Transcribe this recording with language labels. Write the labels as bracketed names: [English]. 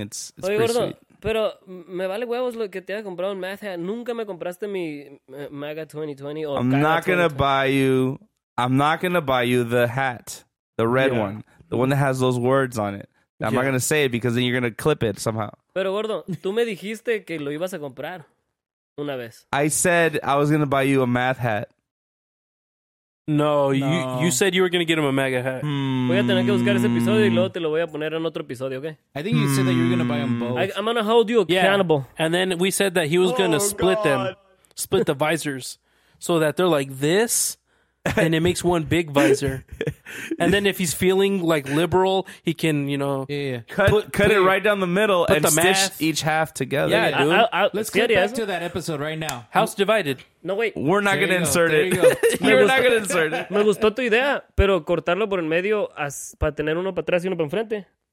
[English] It's [Spanish] oye, [English] pretty sweet. [Spanish] Pero me vale huevos lo que te haya comprado un math hat. Nunca me compraste mi MAGA 2020. Or [English] I'm not going to buy you. I'm not going to buy you the hat. The red one. The one that has those words on it. I'm not going to say it because then you're going to clip it somehow. [Spanish] Pero gordo, tú me dijiste que lo ibas a comprar una vez. [English] I said I was going to buy you a math hat. No, you said you were going to get him a MAGA hat. [Spanish] Voy a tener que buscar ese episodio y luego te lo voy a poner en otro episodio, ¿okay? [English] I think you said that you were going to buy them both. I'm going to hold you accountable. Yeah. And then we said that he was going to split them, split the visors, so that they're like this, and it makes one big visor. And then if he's feeling like liberal, he can, you know, cut it right down the middle and stitch each half together. Yeah, dude. Let's get back to that episode right now. House divided. No, wait. We're not going to insert it. We're not going to insert it. [Spanish] Me gustó tu idea, pero cortarlo por el medio para tener uno para atrás y uno para enfrente.